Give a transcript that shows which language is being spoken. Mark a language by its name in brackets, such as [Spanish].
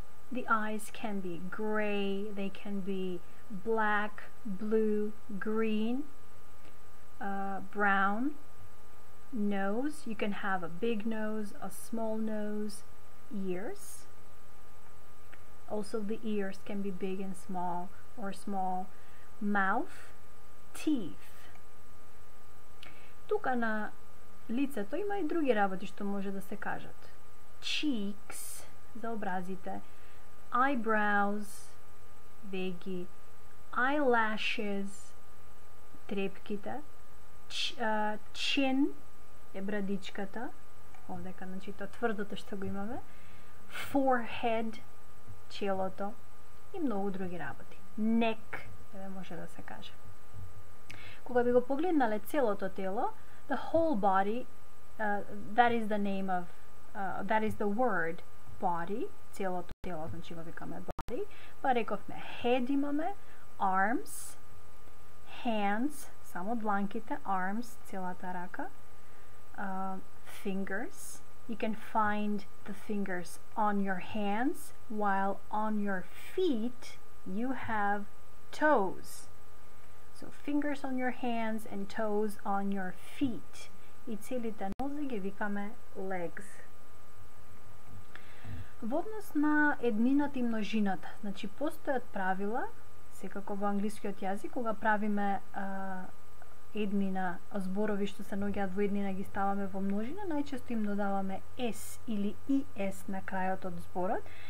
[English] The eyes can be grey, they can be black, blue, green, brown. Nose, you can have a big nose, a small nose. Ears, also the ears can be big and small or small. Mouth, teeth. [Macedonian] Тука на лицето има и други работи што може да се кажат. Cheeks, за образите. Eyebrows, веги. Eyelashes, трепките. Chin е брадичката, овдека, значи тоа тврдото што го имаме. Forehead, челото, и многу други работи. Neck, еве може да се каже. Кога би го погледнале целото тело, [English] the whole body, that is the name of, that is the word body, [Macedonian] целото тело, значи го викаме [English] body, [Macedonian] па рековме [English] head имаме, arms, hands, [Macedonian] само дланките, [English] arms, [Macedonian] целата рака, [English] fingers, you can find the fingers on your hands, while on your feet you have toes. So fingers on your hands and toes on your feet. [Macedonian] И целите нози ги викаме legs. Во однос на еднината и множината, значи постојат правила, секако во англискиот јазик, кога правиме еднина, зборови што се ноѓаат во еднина ги ставаме во множина, најчесто им додаваме s или es на крајот од зборот.